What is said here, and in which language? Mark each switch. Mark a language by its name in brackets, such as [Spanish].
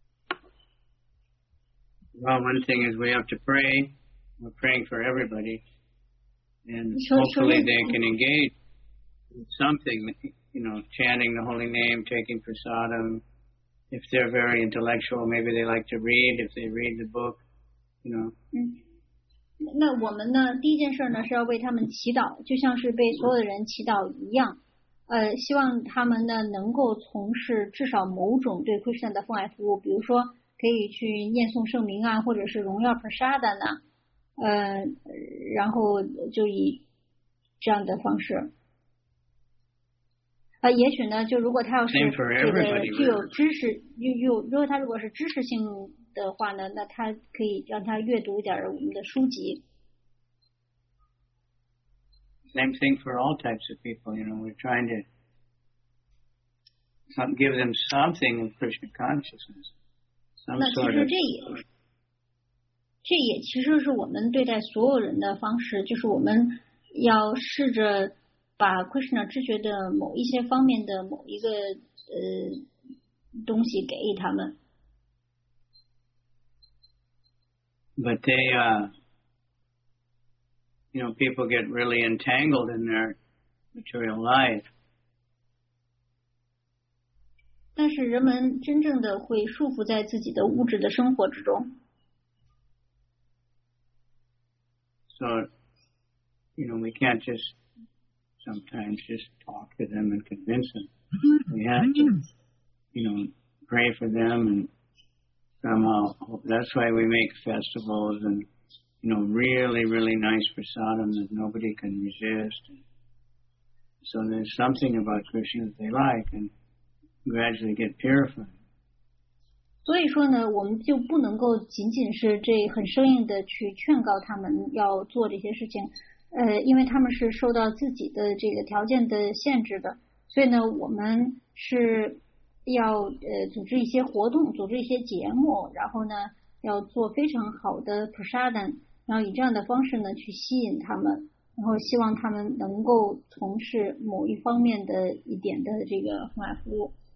[English] Well, one thing is we have to pray. We're praying for everybody. And hopefully they can engage with something, you know, chanting the holy name, taking prasadam. If they're very intellectual, maybe they like to read. If they read the book, you know. [Chinese] 那我们呢，第一件事呢，是要为他们祈祷，就像是被所有的人祈祷一样。希望他们呢，能够从事至少某种对 Krishna 的奉爱服务，比如说可以去念诵圣名啊，或者是荣耀 prasadam 呢，然后就以这样的方式，也许呢，就如果他要是这个具有知识，如果他如果是知识性的话呢，那他可以让他阅读一点我们的书籍。 [English] Same thing for all types of people, you know, we're trying to give them something of Krishna consciousness. [Chinese] 那其实这也这也其实是我们对待所有人的方式，就是我们要试着把 Krishna 知觉的某一些方面的某一个东西给他们。 [English] But they, you know, people get really entangled in their material life. [Chinese] 但是人们真正的会束缚在自己的物质的生活之中。 [English] So, you know, we can't just sometimes just talk to them and convince them. We have to, you know, pray for them and somehow, that's why we make festivals and, you know, really, really nice prasadam that nobody can resist. So there's something about Krishna that they like and gradually get purified. [Chinese] 所以说呢，我们就不能够仅仅是这很生硬的去劝告他们要做这些事情，因为他们是受到自己的这个条件的限制的，所以呢，我们是要组织一些活动，组织一些节目，然后呢，要做非常好的 prasadam， 然后以这样的方式呢去吸引他们，然后希望他们能够从事某一方面的一点的这个弘法服务。